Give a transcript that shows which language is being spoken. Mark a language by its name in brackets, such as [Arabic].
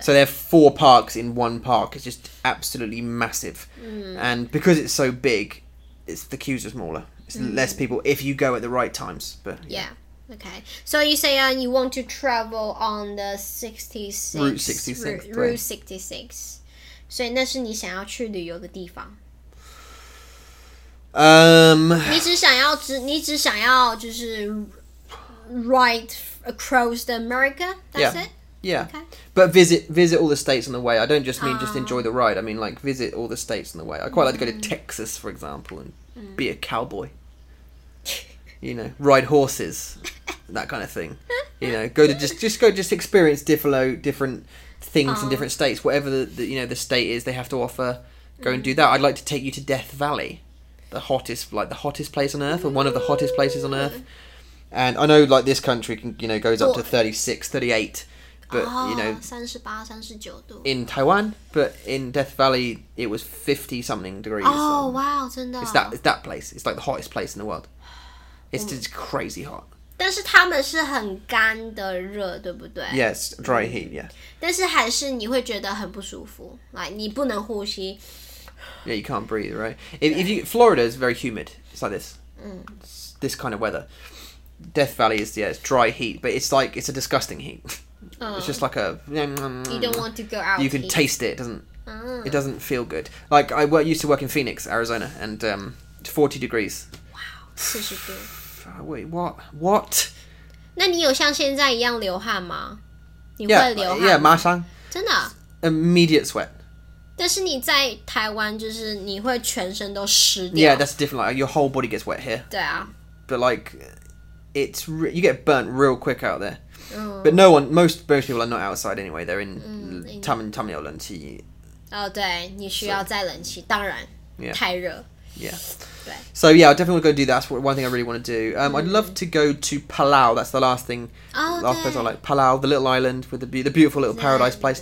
[English] So there are 4 parks in one park, it's just absolutely massive.、嗯、 and because it's so big, the queues are smaller. Less people if you go at the right times, but yeah, yeah. Okay. So you say you want to travel on the 66 Route 66. [Chinese] So 那是你想要去旅游的地方。你只想要就是 right across the America. That's [English] yeah. it. Yeah. Okay. But visit all the states on the way. I don't just mean just enjoy the ride. I mean like visit all the states on the way. I quite、like to go to Texas, for example, and、be a cowboy. You know, ride horses, that kind of thing. You know, go to just experience different things、in different states. Whatever the state is, they have to offer. Go and do that. I'd like to take you to Death Valley, the hottest place on earth, or one of the hottest places on earth. And I know like this country can, you know, goes up to 36, 38, but you know, 38, 39 in Taiwan, but in Death Valley it was 50 something degrees. Oh wow, 真的 it's that place. It's like the hottest place in the world. It's just crazy hot. [Chinese] 但是他们是很干的热，对不对 [English] ？Yes, dry heat. Yeah. [Chinese] 但是还是你会觉得很不舒服 ，like 你不能呼吸。 [English] Yeah, you can't breathe, right? If you Florida is very humid, it's like this. 嗯。 This kind of weather, Death Valley is it's dry heat, but it's like it's a disgusting heat. 嗯。 It's just like a. You don't want to go out. You can taste it. It doesn't feel good. Like I used to work in Phoenix, Arizona, and 40 degrees. [Chinese] 40度 [English] Wait, what? [Chinese] 那你有像现在一样流汗吗？你会流汗吗？ Yeah, 马上。真的？ [English] Immediate sweat. [Chinese] 但是你在台湾，就是你会全身都湿掉。 [English] Yeah, that's different. Like, your whole body gets wet here. [Chinese] 对啊。 [English] But like, you get burnt real quick out there. But no one, most people are not outside anyway. [Chinese] They're in, 他们有冷气。哦，对，你需要在冷气，当然。 [English] Yeah. [Chinese] 太热。 [English] Yeah. So yeah, I definitely want to go do that. That's one thing I really want to do. I'd love to go to Palau. That's the last thing. Last place I like. Palau, the little island with the beautiful little paradise place.